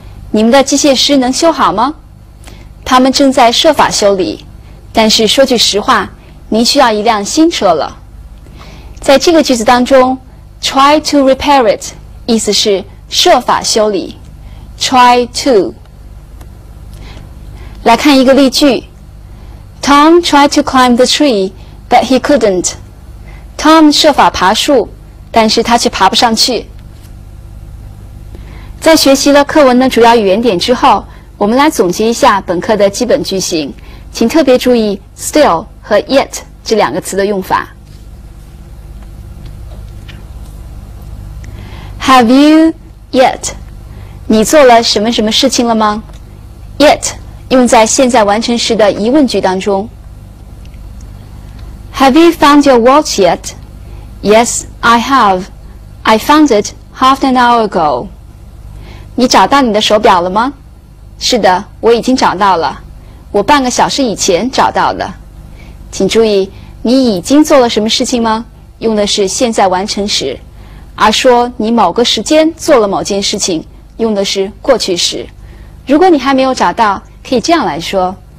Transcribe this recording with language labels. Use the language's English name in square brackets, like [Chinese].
[Chinese] 你们的机械师能修好吗？他们正在设法修理。但是说句实话，您需要一辆新车了。在这个句子当中， [English] Try to repair it, [Chinese] 意思是设法修理。 [English] Try to. [Chinese] 来看一个例句。 [English] Tom tried to climb the tree, but he couldn't. [Chinese] Tom 设法爬树，但是他却爬不上去。在学习了课文的主要语言点之后，我们来总结一下本课的基本句型。请特别注意 still 和 yet 这两个词的用法。 [English] Have you yet? [Chinese] 你做了什么什么事情了吗？Yet 用在现在完成时的疑问句当中。 [English] Have you found your watch yet? Yes, I have. I found it half an hour ago. [Chinese] 你找到你的手表了吗？是的，我已经找到了。我半个小时以前找到的。请注意，你已经做了什么事情吗？用的是现在完成时。而说你某个时间做了某件事情，用的是过去时。如果你还没有找到，可以这样来说